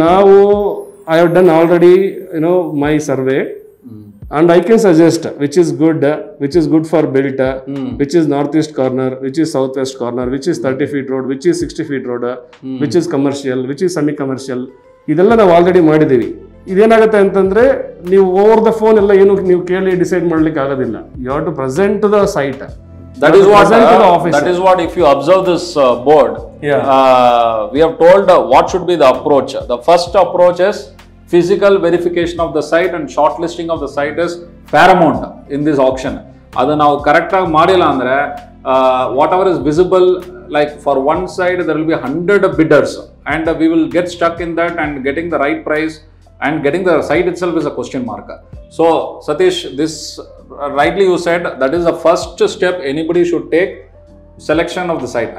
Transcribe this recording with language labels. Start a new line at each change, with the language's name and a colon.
English: ನಾವು I have done already you know my survey and I can suggest which is good, which is good for built, which is north east corner, which is south west corner, which is 30 feet road, which is 60 feet road, which is commercial, which is semi commercial,
Kannada: ಇದೆಲ್ಲ ನಾವು already ಮಾಡಿದ್ದೀವಿ. ಇದೇನಾಗುತ್ತೆ ಅಂತಂದ್ರೆ ನೀವು
English: over the phone
Kannada: ಎಲ್ಲ ಏನು ನೀವು ಕೇಳಿ decide ಮಾಡ್ಲಿಕ್ಕೆ ಆಗೋದಿಲ್ಲ.
English: You have to present the site. That is what, if you observe this board, we have told what should be the approach. The first approach is physical verification of the site and shortlisting of the site is paramount in this auction.
Kannada: ಅದು ನಾವು correct ಆಗಿ ಮಾಡಿಲ್ಲ ಅಂದ್ರೆ
English: Whatever is visible like for one side there will be 100 bidders and we will get stuck in that and getting the right price and getting the site itself is a question mark. So Satish, this rightly you said that is the first step anybody should take selection of the site.